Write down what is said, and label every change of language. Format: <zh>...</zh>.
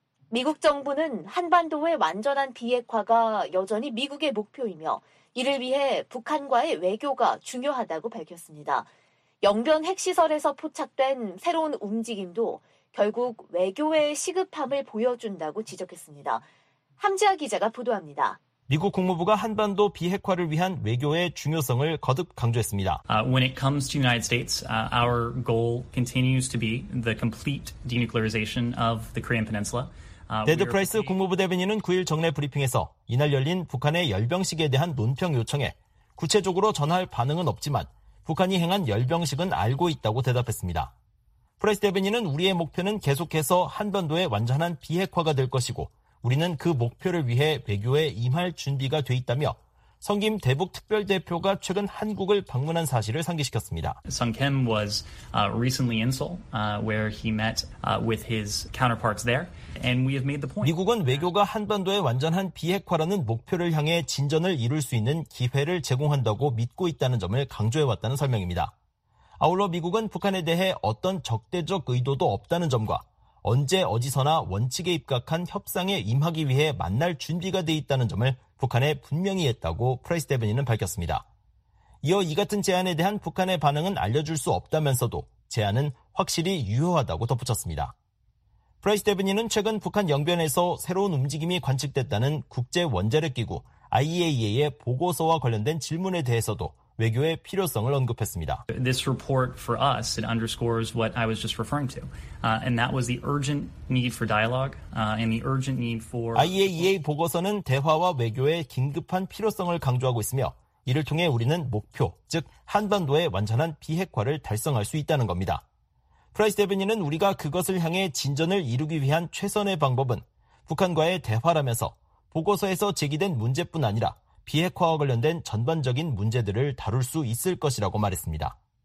<ko>미국 정부는 한반도의 완전한 비핵화가 여전히 미국의 목표이며 이를 위해 북한과의 외교가 중요하다고 밝혔습니다. 영변 핵시설에서 포착된 새로운 움직임도 결국 외교의 시급함을 보여준다고 지적했습니다. 함지아 기자가 보도합니다. 미국 국무부가 한반도 비핵화를 위한 외교의 중요성을 거듭 강조했습니다.</ko> <en>When it comes to the United States, our goal continues to be the complete denuclearization of the Korean Peninsula.</en> <ko>데드 프라이스 국무부 대변인은 9일 정례 브리핑에서 이날 열린 북한의 열병식에 대한 논평 요청에 구체적으로 전할 반응은 없지만 북한이 행한 열병식은 알고 있다고 대답했습니다. 프라이스 대변인은 우리의 목표는 계속해서 한반도의 완전한 비핵화가 될 것이고 우리는 그 목표를 위해 외교에 임할 준비가 돼 있다며 성김 대북 특별 대표가 최근 한국을 방문한 사실을 상기시켰습니다.</ko> <en>Sung Kim was recently in Seoul where he met with his counterparts there and we have made the point.</en> <ko>미국은 외교가 한반도의 완전한 비핵화라는 목표를 향해 진전을 이룰 수 있는 기회를 제공한다고 믿고 있다는 점을 강조해 왔다는 설명입니다. 아울러 미국은 북한에 대해 어떤 적대적 의도도 없다는 점과 언제 어디서나 원칙에 입각한 협상에 임하기 위해 만날 준비가 돼 있다는 점을 북한에 분명히 했다고 프라이스 대변인은 밝혔습니다. 이어 이 같은 제안에 대한 북한의 반응은 알려줄 수 없다면서도 제안은 확실히 유효하다고 덧붙였습니다. 프라이스 대변인은 최근 북한 영변에서 새로운 움직임이 관측됐다는 국제원자력기구 IAEA의 보고서와 관련된 질문에 대해서도 외교의 필요성을 언급했습니다.</ko> <en>This report for us it underscores what I was just referring to. And that was the urgent need for dialogue and the urgent need for</en> <ko>IAEA 보고서는 대화와 외교의 긴급한 필요성을 강조하고 있으며 이를 통해 우리는 목표, 즉 한반도의 완전한 비핵화를 달성할 수 있다는 겁니다. 프라이스 대변인은 우리가 그것을 향해 진전을 이루기 위한 최선의 방법은 북한과의 대화라면서 보고서에서 제기된 문제뿐 아니라 비핵화와 관련된 전반적인 문제들을 다룰 수 있을 것이라고 말했습니다.</ko>